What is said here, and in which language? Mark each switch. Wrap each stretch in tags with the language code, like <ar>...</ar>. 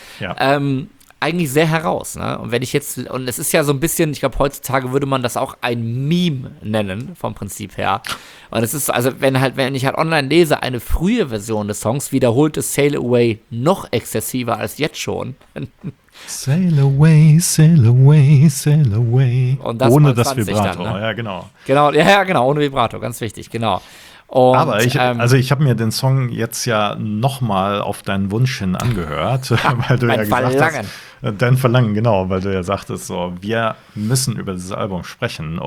<de>Ja. eigentlich sehr heraus, ne? Und wenn ich jetzt, und es ist ja so ein bisschen, ich glaube, heutzutage würde man das auch ein Meme nennen, vom Prinzip her. Und es ist, also wenn ich halt online lese, eine frühe Version des Songs wiederholt es Sail Away noch exzessiver als jetzt schon.</de> <en>Sail away, sail away, sail away.</en> <de>Und das ohne das Vibrato, dann, ne? Ja, genau. Genau, ja, genau, ohne Vibrato, ganz wichtig, genau. Und, aber ich, also ich habe mir den Song jetzt ja nochmal auf deinen Wunsch hin angehört, weil du ja gesagt hast, dein Verlangen, genau, weil du ja sagtest, so, wir müssen über dieses Album sprechen.</de>